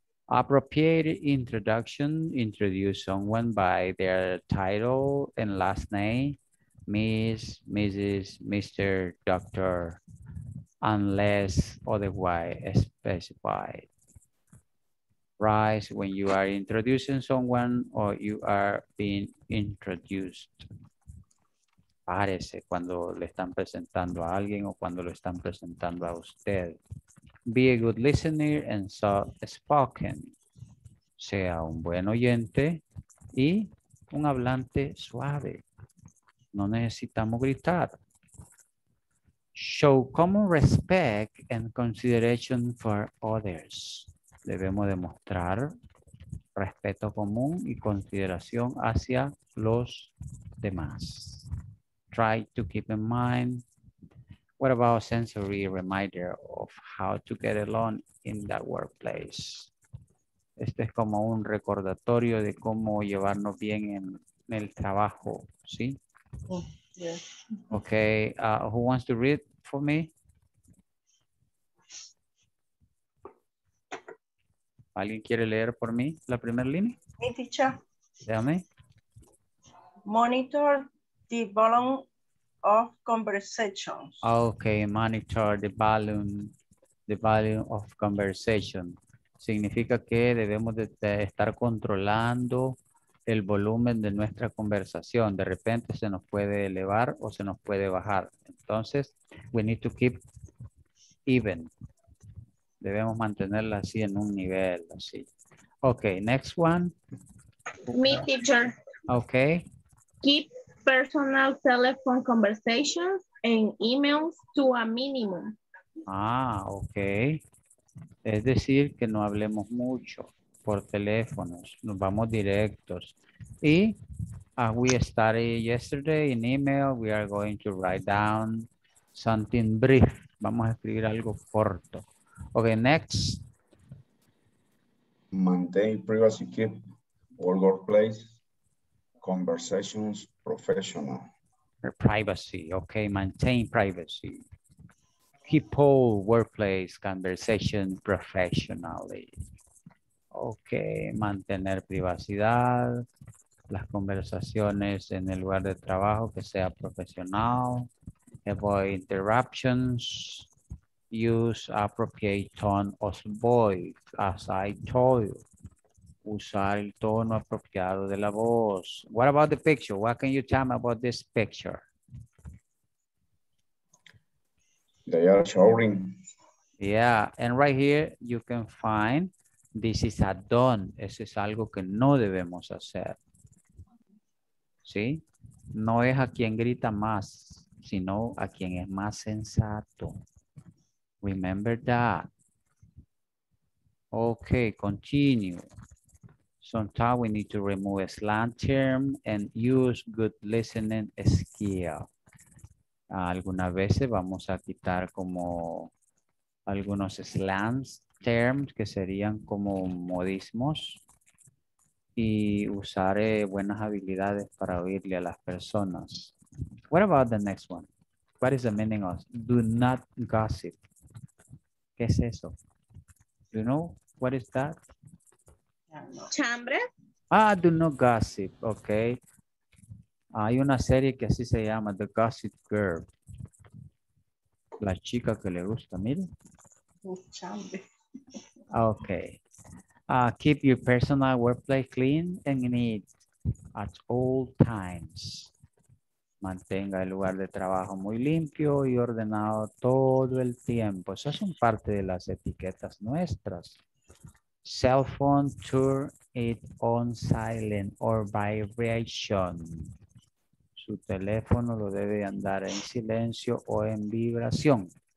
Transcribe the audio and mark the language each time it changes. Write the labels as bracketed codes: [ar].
[en] Appropriate introduction, introduce someone by their title and last name, Miss, Mrs., Mr., Doctor, unless otherwise specified. Rise when you are introducing someone or you are being introduced. [es] Párese cuando le están presentando a alguien o cuando lo están presentando a usted. [en] be a good listener and soft spoken. [es] Sea un buen oyente y un hablante suave. No necesitamos gritar. [en] Show common respect and consideration for others. [es] Debemos demostrar respeto común y consideración hacia los demás. [en] Try to keep in mind, what about sensory reminder of how to get along in that workplace? [es] Este es como un recordatorio de cómo llevarnos bien en el trabajo, ¿sí? [en] Oh, yeah. Okay, who wants to read for me? [es] ¿Alguien quiere leer por mí la primera línea? [en] Mi teacher. [es] Déjame. [en] Monitor the volume of conversations. Okay, monitor the volume of conversation. [es] Significa que debemos de estar controlando el volumen de nuestra conversación. De repente se nos puede elevar o se nos puede bajar. [en] Entonces, we need to keep even. [es] Debemos mantenerla así en un nivel, así. [en] Okay, next one. Me, teacher. Okay. Keep personal telephone conversations and emails to a minimum. Ah, okay. [es] Es decir, que no hablemos mucho por teléfonos. Nos vamos directos. Y [en] as we started yesterday in email, we are going to write down something brief. [es] Vamos a escribir algo corto. [en] Okay, next. Maintain privacy, keep all workplace conversations professional. Privacy, okay, maintain privacy. Keep all workplace conversations professionally. [es] Okay, mantener privacidad, las conversaciones en el lugar de trabajo que sea profesional. [en] Avoid interruptions. Use appropriate tone of voice, as I told you. [es] Usar el tono apropiado de la voz. [en] What about the picture? What can you tell me about this picture? They are showering. Yeah, and right here you can find this is a don't. [es] Eso es algo que no debemos hacer. ¿Sí? No es a quien grita más, sino a quien es más sensato. [en] Remember that. Okay, continue. Sometimes we need to remove a slang term and use good listening skill. [es] Algunas veces vamos a quitar como algunos slang terms que serían como modismos y usar buenas habilidades para oírle a las personas. [en] What about the next one? What is the meaning of do not gossip? [es] ¿Qué es eso? [en] You know what is that? [es] Chambre. [en] Ah, do not gossip. Okay. [es] Hay una serie que así se llama The Gossip Girl. La chica que le gusta, mire. Chambre. [en] Okay. Keep your personal workplace clean and neat at all times. [es] Mantenga el lugar de trabajo muy limpio y ordenado todo el tiempo. Esas son parte de las etiquetas nuestras. [en] Cell phone, turn it on silent or vibration. [es] Su teléfono lo debe andar en silencio o en vibración.